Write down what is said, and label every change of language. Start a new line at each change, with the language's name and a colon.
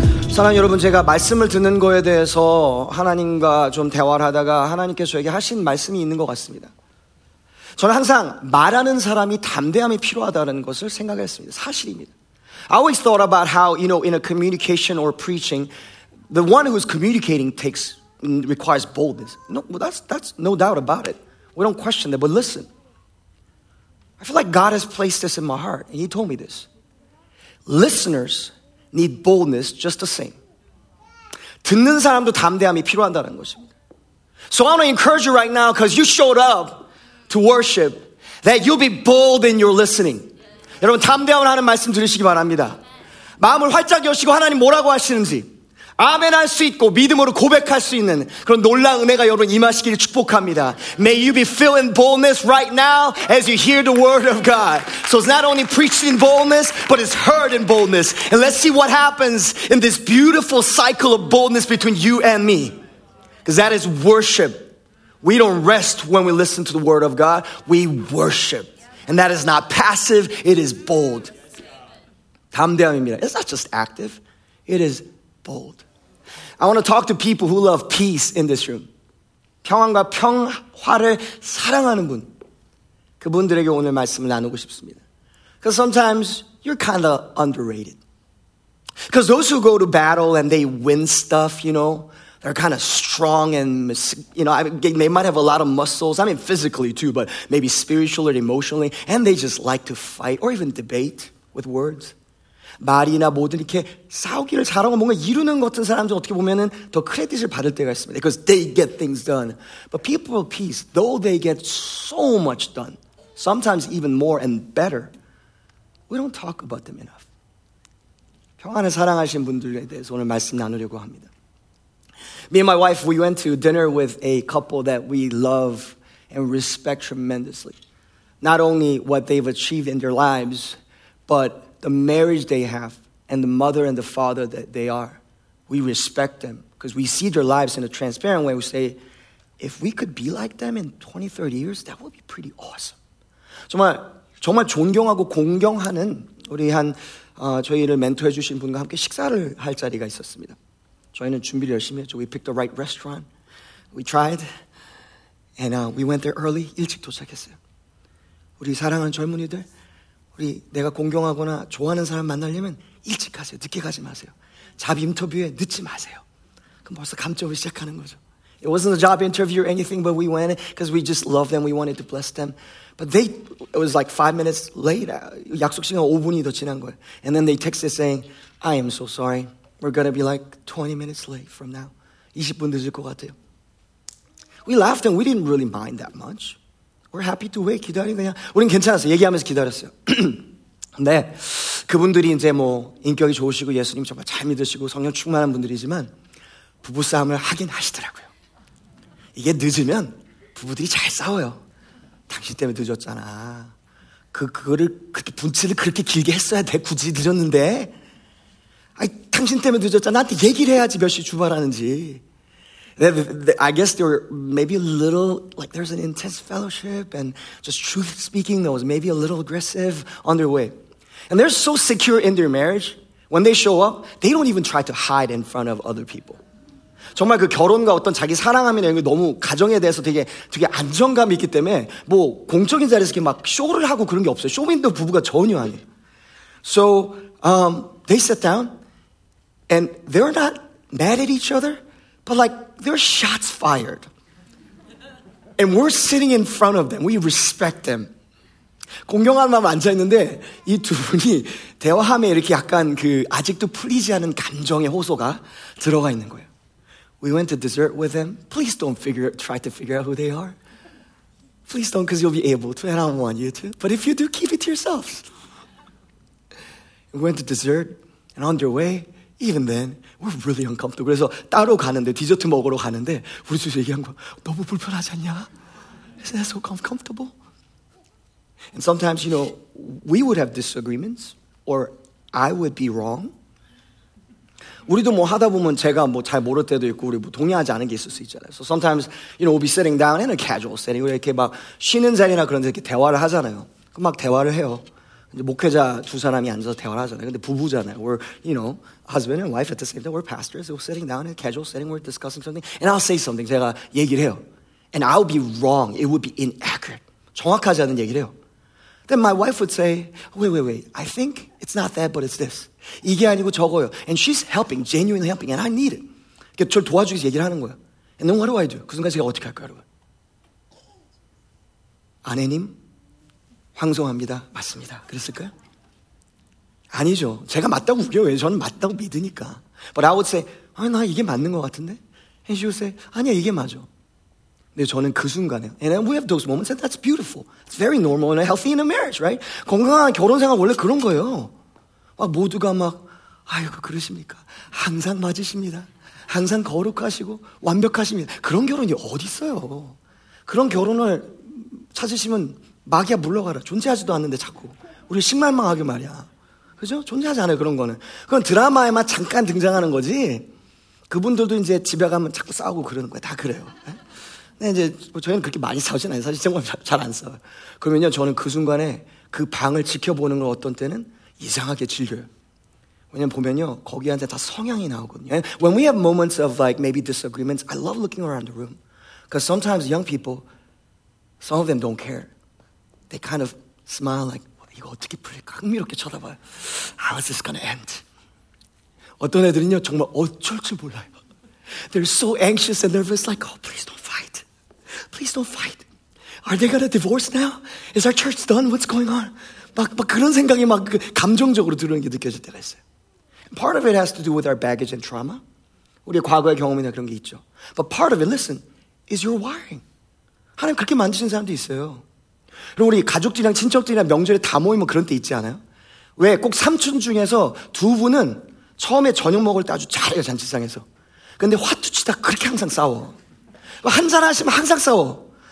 Korean: 사랑 여러분, 제가 말씀을 듣는 거에 대해서 하나님과 좀 대화를 하다가 하나님께서 저에게 하신 말씀이 있는 것 같습니다. 저는 항상 말하는 사람이 담대함이 필요하다는 것을 생각했습니다. 사실입니다.
English: I always thought about how, you know, in a communication or preaching, the one who's communicating takes requires boldness. No, that's no doubt about it. We don't question that. But listen, I feel like God has placed this in my heart, and He told me this. Listeners need boldness just the same.
Korean: 듣는 사람도 담대함이 필요한다는 것입니다.
English: So I want to encourage you right now, because you showed up to worship, that you'll be bold in your listening.
Korean: 여러분, 담대함을 하는 말씀 들으시기 바랍니다. 마음을 활짝 여시고 하나님 뭐라고 하시는지 아멘 할 수 있고 믿음으로 고백할 수 있는 그런 놀라운 은혜가 여러분 임하시기를 축복합니다.
English: May you be filled in boldness right now as you hear the word of God. So it's not only preached in boldness, but it's heard in boldness. And let's see what happens in this beautiful cycle of boldness between you and me. Because that is worship. We don't rest when we listen to the word of God. We worship. And that is not passive, it is bold.
Korean: 담대함입니다.
English: It's not just active, it is bold. I want to talk to people who love peace in this room.
Korean: 평안과 평화를 사랑하는 분. 그분들에게 오늘 말씀을 나누고 싶습니다.
English: Because sometimes you're kind of underrated. Because those who go to battle and they win stuff, you know, they're kind of strong and, you know, they might have a lot of muscles. I mean, physically too, but maybe spiritually or emotionally. And they just like to fight or even debate with words.
Korean: 말이나 뭐든 이렇게 싸우기를 잘하고 뭔가 이루는 것 같은 사람들 어떻게 보면은 더 크레딧을 받을 때가 있습니다.
English: Because they get things done. But people of peace, though they get so much done, sometimes even more and better, we don't talk about them enough.
Korean: 평안을 사랑하신 분들에 대해서 오늘 말씀 나누려고 합니다.
English: Me and my wife, we went to dinner with a couple that we love and respect tremendously. Not only what they've achieved in their lives, but the marriage they have and the mother and the father that they are. We respect them because we see their lives in a transparent way. We say, if we could be like them in 20, 30 years, that would be pretty awesome.
Korean: 정말, 정말 존경하고 공경하는 우리 한 저희를 멘토해 주신 분과 함께 식사를 할 자리가 있었습니다. 저희는 준비를 열심히 했죠.
English: We picked the right restaurant. We tried. And we went there early.
Korean: 일찍 도착했어요. 우리 사랑하는 젊은이들, 우리 내가 공경하거나 좋아하는 사람 만나려면 일찍 가세요. 늦게 가지 마세요. Job 인터뷰에 늦지 마세요. 그럼 벌써 감점을 시작하는 거죠.
English: It wasn't a job interview or anything, but we went because we just loved them. We wanted to bless them. But they, it was like 5 minutes late.
Korean: 약속 시간 5분이 더 지난 거예요.
English: And then they texted saying, I am so sorry. We're going to be like 20 minutes late from now.
Korean: 20분 늦을 것 같아요.
English: We laughed and we didn't really mind that much. We're happy to wait.
Korean: 기다린 거냐? 우린 괜찮았어요. 얘기하면서 기다렸어요. 근데 그분들이 이제 뭐 인격이 좋으시고 예수님 정말 잘 믿으시고 성령 충만한 분들이지만 부부싸움을 하긴 하시더라고요. 이게 늦으면 부부들이 잘 싸워요. 당신 때문에 늦었잖아. 그거를 그때 분칠을 그렇게 길게 했어야 돼. 굳이 늦었는데. 아니, 당신 때문에 늦었잖아. 나한테 얘기를 해야지 몇 시 출발하는지.
English: I guess there were maybe a little, like there's an intense fellowship and just truth speaking that was maybe a little aggressive on their way. And they're so secure in their marriage, when they show up, they don't even try to hide in front of other people.
Korean: 정말 그 결혼과 어떤 자기 사랑함이나 이런 게 너무 가정에 대해서 되게 안정감이 있기 때문에 뭐 공적인 자리에서 막 쇼를 하고 그런 게 없어요. 쇼윈도 부부가 전혀 아니에요.
English: So they sat down and they're not mad at each other, but like, there are shots fired. And we're sitting in front of them. We respect them.
Korean: 공경하는 마음 앉아있는데 이 두 분이 대화함에 이렇게 약간 그 아직도 풀리지 않은 감정의 호소가 들어가 있는 거예요.
English: We went to dessert with them. Please don't try to figure out who they are. Please don't, because you'll be able to and I don't want you to. But if you do, keep it to yourselves. We went to dessert and on their way, even then, we're really uncomfortable.
Korean: 그래서 따로 가는데, 디저트 먹으러 가는데 우리 둘이 얘기한 거, 너무 불편하지 않냐?
English: Is that so comfortable? And sometimes, you know, we would have disagreements or I would be wrong.
Korean: 우리도 뭐 하다 보면 제가 뭐 잘 모를 때도 있고 우리 뭐 동의하지 않은 게 있을 수 있잖아요.
English: So sometimes, you know, we'll be sitting down in a casual setting.
Korean: 이렇게 막 쉬는 자리나 그런 데 이렇게 대화를 하잖아요. 그럼 막 대화를 해요. 이제 목회자 두 사람이 앉아서 대화를 하잖아요. 근데 부부잖아요.
English: We're, you know, husband and wife at the same time. We're pastors. We're sitting down in a casual setting. We're discussing something. And I'll say something.
Korean: 제가 얘기를 해요.
English: And I'll be wrong. It would be inaccurate.
Korean: 정확하지 않은 얘기를 해요.
English: Then my wife would say, wait, wait, wait. I think it's not that, but it's this.
Korean: 이게 아니고 저거요.
English: And she's helping, genuinely helping. And I need it.
Korean: 그러니까 저를 도와주기 얘기를 하는 거예요.
English: And then what do I do?
Korean: 그 순간 제가 어떻게 할까요, 여러분? 아내님, 황송합니다. 맞습니다. 그랬을까요? 아니죠. 제가 맞다고 우겨. 왜? 저는 맞다고 믿으니까.
English: But I would say,
Korean: 아, 나 이게 맞는 것 같은데?
English: And she would say,
Korean: 아니야, 이게 맞아. 근데 저는 그 순간에,
English: and then we have those moments and that's beautiful. It's very normal and healthy in a marriage, right?
Korean: 건강한 결혼 생활 원래 그런 거예요. 막 모두가 막, 아이고, 그러십니까? 항상 맞으십니다. 항상 거룩하시고 완벽하십니다. 그런 결혼이 어디 있어요? 그런 결혼을 찾으시면 마귀야 물러가라. 존재하지도 않는데 자꾸 우리 식말망하게 말이야. 그죠? 존재하지 않아요. 그런 거는 그건 드라마에만 잠깐 등장하는 거지 그분들도 이제 집에 가면 자꾸 싸우고 그러는 거야. 다 그래요. 근데 이제 저희는 그렇게 많이 싸우진 않아요. 사실 정말 잘 안 싸워요. 그러면요 저는 그 순간에 그 방을 지켜보는 걸 어떤 때는 이상하게 즐겨요. 왜냐면 보면요 거기한테 다 성향이 나오거든요.
English: And when we have moments of like maybe disagreements, I love looking around the room. Because sometimes young people, some of them don't care. They kind of smile like,
Korean: 이거 어떻게 풀릴까? 흥미롭게 쳐다봐요.
English: How is this gonna end?
Korean: 어떤 애들은요 정말 어쩔 줄 몰라요.
English: They're so anxious and nervous like, oh please don't fight. Please don't fight. Are they gonna divorce now? Is our church done? What's going on?
Korean: 막 그런 생각이 막 그 감정적으로 들어오는 게 느껴질 때가 있어요.
English: Part of it has to do with our baggage and trauma.
Korean: 우리의 과거의 경험이나 그런 게 있죠.
English: But part of it, listen, is your wiring.
Korean: 하나님 그렇게 만드신 사람도 있어요. 그리고 우리 가족들이랑 친척들이랑 명절에 다 모이면 그런 때 있지 않아요? 왜? 꼭 삼촌 중에서 두 분은 처음에 저녁 먹을 때 아주 잘해요, 잔치상에서. 근데 화투치다 그렇게 항상 싸워. 한 사람 하시면 항상 싸워.